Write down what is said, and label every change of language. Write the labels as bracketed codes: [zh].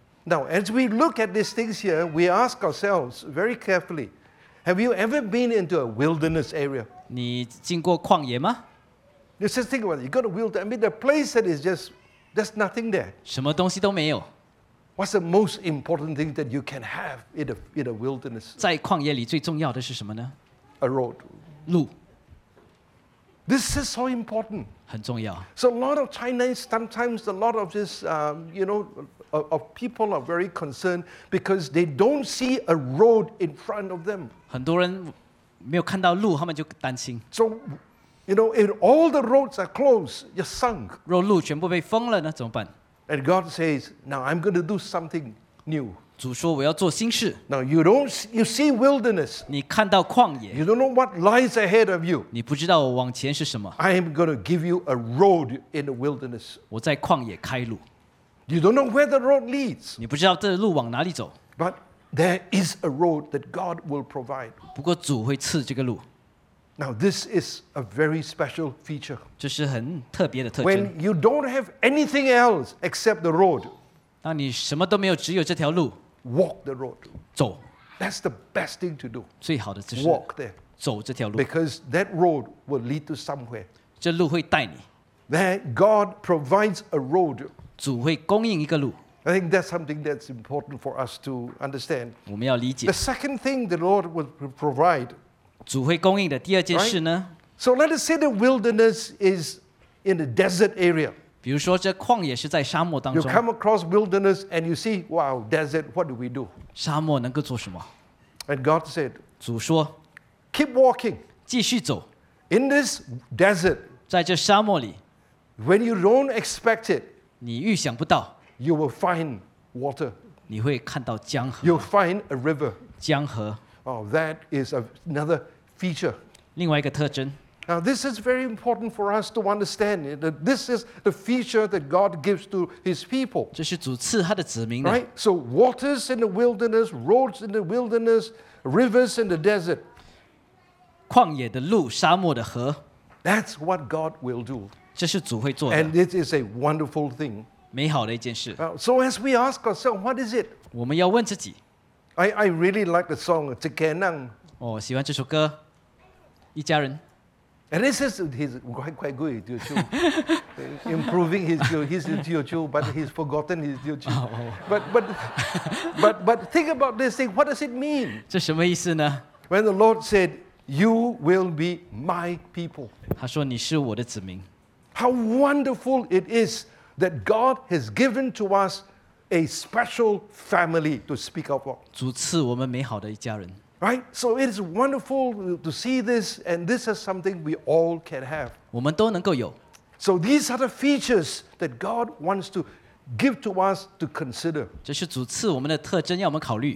[en] Now, as we look at these things here, we ask ourselves very carefully, have you ever been into a wilderness area? [zh] 你经过旷野吗? [en] Just think about it. You go to wilderness. I mean, the place that is just, there's nothing there. [zh] 什么东西都没有。 [en] What's the most important thing that you can have in a wilderness? [zh] 在旷野里最重要的是什么呢? [en] A road. [zh] 路. [en] This is so important. [zh] 很重要. [en] So a lot of Chinese, sometimes a lot of this, you know, of people are very concerned because they don't see a road in front of them. [zh] 很多人没有看到路, 他们就担心. [en] So, you know, if all the roads are closed, you're sunk. [zh] 若路全部被封了呢，怎么办? [en] And God says, now I'm going to do something new. [zh] 主说我要做新事。 [en] Now you see wilderness. [zh] 你看到旷野。 [en] You don't know what lies ahead of you. [zh] 你不知道往前是什么。 [en] I am going to give you a road in the wilderness. [zh] 我在旷野开路。 [en] You don't know where the road leads. [zh] 你不知道这路往哪里走。 [en] But there is a road that God will provide. [zh] 不过主会赐这个路。 [en] Now this is a very special feature. [zh] 这是很特别的特征。 [en] When you don't have anything else except the road, [zh] 那你什么都没有，只有这条路。 [en] Walk the road. [zh] 走。 [en] That's the best thing to do. [zh] 最好的就是 [en] walk there. [zh] 走这条路。 [en] Because that road will lead to somewhere. [zh] 这路会带你。 [en] There, God provides a road. [zh] 主会供应一个路。 [en] I think that's something that's important for us to understand. [zh] 我们要理解。 [en] The second thing the Lord will provide. [zh] 主会供应的第二件事呢? [en] So let us say the wilderness is in a desert area. [zh] 比如说这旷野是在沙漠当中。 [en] You come across wilderness and you see, wow, desert, what do we do? [zh] 沙漠能够做什么? [en] And God said, [zh] 主说, [en] keep walking. [zh] 继续走。 [en] In this desert, [zh] 在这沙漠里, [en] when you don't expect it, [zh] 你预想不到, [en] you will find water. [zh] 你会看到江河。 [en] You'll find a river. [zh] 江河。 [en] Oh, that is another feature. [zh] 另外一个特征. [en] Now, this is very important for us to understand that this is the feature that God gives to His people. [zh] 这是主赐他的子民的. [en] Right? So, waters in the wilderness, roads in the wilderness, rivers in the desert. [zh] 旷野的路, 沙漠的河. [en] That's what God will do. [zh] 这是主会做的. [en] And it is a wonderful thing. [zh] 美好的一件事. [en] So, as we ask ourselves, what is it? [zh] 我们要问自己. [en] I really like the song, Zekenang. [zh] Oh, 喜欢这首歌, 一家人. [en] And this is he's quite good, Tio Chu. Improving his Tio Chu, but he's forgotten his Tio Chu. Oh, oh. But think about this thing, what does it mean? [zh] 这什么意思呢? [en] When the Lord said, you will be my people. [zh] 他说你是我的子民. [en] How wonderful it is that God has given to us a special family to speak of. [zh] 主赐我们美好的一家人。 [en] Right? So it is wonderful to see this, and this is something we all can have. [zh] 我们都能够有。 [en] So these are the features that God wants to give to us to consider. [zh] 这是主赐我们的特征，要我们考虑。